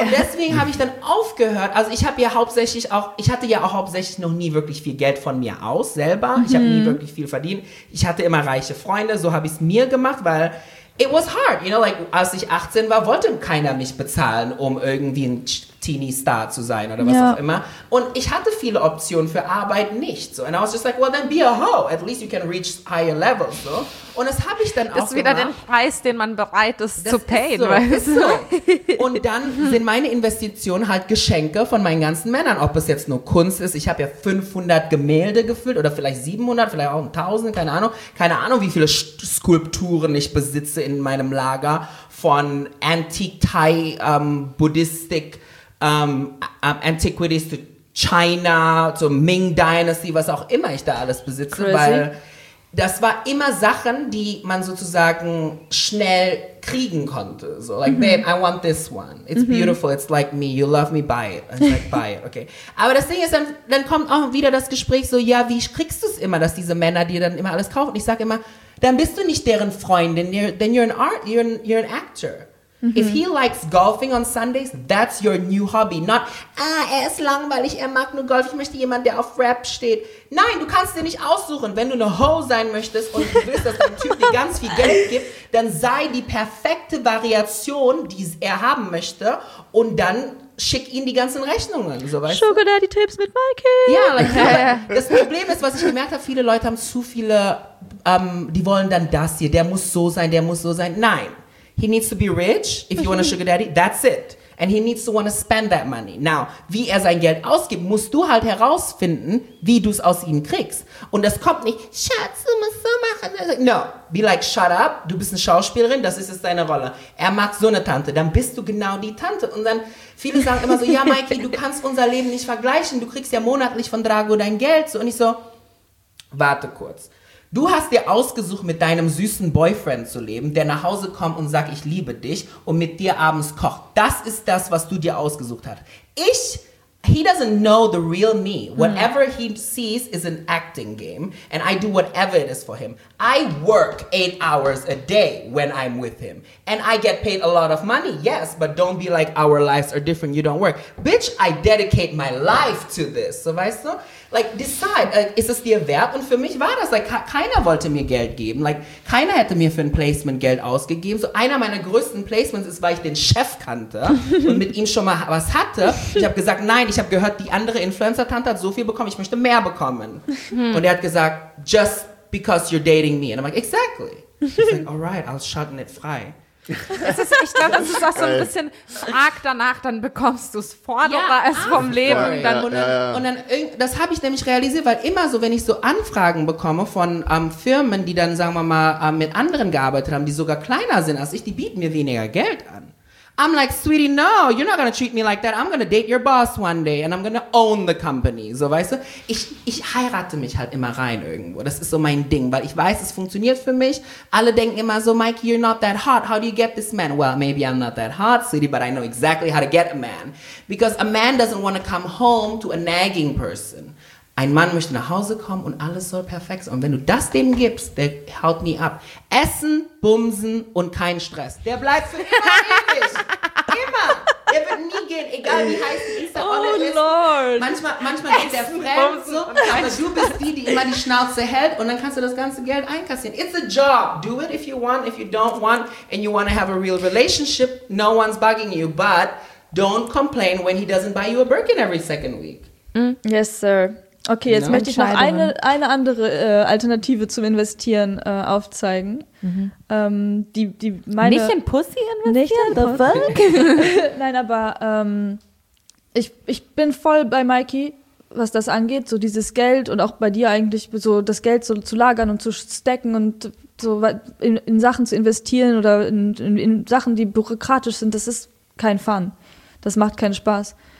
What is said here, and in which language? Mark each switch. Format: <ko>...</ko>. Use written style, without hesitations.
<de>Und deswegen habe ich dann aufgehört. Also ich habe ja hauptsächlich auch, ich hatte ja auch hauptsächlich noch nie wirklich viel Geld von mir aus selber. Ich habe nie wirklich viel verdienen. Ich hatte immer reiche Freunde, so habe ich es mir gemacht, weil</de> <en>it was hard, you know, like,</en> <de>als ich 18 war, wollte keiner mich bezahlen, um irgendwie ein Teenie-Star zu sein oder was, ja, auch immer. Und ich hatte viele Optionen für Arbeit nicht, so.</de> <en>And I was just like, well, then be a hoe. At least you can reach higher levels, so.</en> <de>Und das habe ich dann ist auch ist wieder gemacht. Den Preis, den man bereit ist das zu payen, ist so, weißt du? So. Und dann sind meine Investitionen halt Geschenke von meinen ganzen Männern. Ob es jetzt nur Kunst ist, ich habe ja 500 Gemälde gefüllt oder vielleicht 700, vielleicht auch 1000, keine Ahnung. Keine Ahnung, wie viele Skulpturen ich besitze in meinem Lager von</de> <en>Antique Thai Buddhistic Antiquities to China, to Ming Dynasty,</en> <de>was auch immer ich da alles besitze, crazy, weil das war immer Sachen, die man sozusagen schnell kriegen konnte.</de> <en>So, like, babe, I want this one. It's beautiful. It's like me. You love me. Buy it. It's like, buy it. Okay.</en> <de>Aber das Ding ist, dann kommt auch wieder das Gespräch so, ja, wie kriegst du es immer, dass diese Männer dir dann immer alles kaufen? Ich sage immer, dann bist du nicht deren Freundin.</de> <en>Then you're an actor. If he likes golfing on Sundays, that's your new hobby.</en> <de>Not, er ist langweilig, er mag nur Golf, ich möchte jemanden, der auf Rap steht. Nein, du kannst dir nicht aussuchen. Wenn du eine Hoe sein möchtest und du willst, dass dein Typ dir ganz viel Geld gibt, dann sei die perfekte Variation, die er haben möchte, und dann schick ihn die ganzen Rechnungen. So, weißt Sugar Daddy Tipps mit Mikey. Ja, like, das Problem ist, was ich gemerkt habe, viele Leute haben zu viele, die wollen dann das hier, der muss so sein, der muss so sein. Nein.</de> <en>He needs to be rich, if you want a sugar daddy, that's it. And he needs to want to spend that money.</en> <de>Now, wie er sein Geld ausgibt, musst du halt herausfinden, wie du es aus ihm kriegst. Und das kommt nicht, Schatz, du musst so machen.</de> <en>No, be like, shut up,</en> <de>du bist eine Schauspielerin, das ist jetzt deine Rolle. Er mag so eine Tante, dann bist du genau die Tante. Und dann, viele sagen immer so, ja, Mikey, du kannst unser Leben nicht vergleichen, du kriegst ja monatlich von Drago dein Geld. Und ich so, warte kurz. Du hast dir ausgesucht, mit deinem süßen Boyfriend zu leben, der nach Hause kommt und sagt, ich liebe dich, und mit dir abends kocht. Das ist das, was du dir ausgesucht hast.</de> <en>Ich, he doesn't know the real me. Whatever he sees is an acting game, and I do whatever it is for him. I work 8 hours a day when I'm with him, and I get paid a lot of money, yes, but don't be like, our lives are different, you don't work. Bitch, I dedicate my life to this,</en> <de>so weißt du?</de> <en>Like, decide,</en> <de>ist es dir wert? Und für mich war das, like, keiner wollte mir Geld geben. Like, keiner hätte mir für ein Placement Geld ausgegeben. So, einer meiner größten Placements ist, weil ich den Chef kannte und mit ihm schon mal was hatte. Ich habe gesagt, nein, ich habe gehört, die andere Influencer-Tante hat so viel bekommen, ich möchte mehr bekommen. Und er hat gesagt, just</de> <en>because you're dating me. And I'm like, exactly. He's like, all right, I'll schalten it frei.</en> <de>Ich glaube, das ist auch so ein bisschen, frag danach, dann bekommst du es forderer als vom Leben. dann, ja, und, dann, ja, ja. Und dann, das habe ich nämlich realisiert, weil immer so, wenn ich so Anfragen bekomme von Firmen, die dann, sagen wir mal, mit anderen gearbeitet haben, die sogar kleiner sind als ich, die bieten mir weniger Geld an.</de> <en>I'm like, sweetie, no, you're not gonna treat me like that. I'm gonna date your boss one day and I'm gonna own the company.</en> <de>So, weißt du? Ich heirate mich halt immer rein irgendwo. Das ist so mein Ding, weil ich weiß, es funktioniert für mich. Alle denken immer so,</de> <en>Mikey, you're not that hot. How do you get this man? Well, maybe I'm not that hot, sweetie, but I know exactly how to get a man. Because a man doesn't want to come home to a nagging person.</en> <de>Ein Mann möchte nach Hause kommen und alles soll perfekt sein. Und wenn du das dem gibst, der haut nie ab. Essen, bumsen und kein Stress. Der bleibt für immer ewig. Immer. Der wird nie gehen, egal wie heiß es ist.</de> <en>Oh Lord.</en> <de>Manchmal geht der fremd so, aber du bist die, die immer die Schnauze hält und dann kannst du das ganze Geld einkassieren.</de> <en>It's a job. Do it if you want, if you don't want and you want to have a real relationship. No one's bugging you, but don't complain when he doesn't buy you a Birkin every second week. Yes, sir.</en> <de>Okay, jetzt möchte ich noch eine andere Alternative zum Investieren aufzeigen. Mhm. Die meine nicht in Pussy investieren? Nicht in</de> <en>the fuck?</en> <de>Nein, aber ich bin voll bei Mikey, was das angeht, so dieses Geld und auch bei dir eigentlich, so das Geld so zu lagern und zu stacken und so in Sachen zu investieren oder in Sachen, die bürokratisch sind, das ist kein Fun. Das macht keinen Spaß.</de>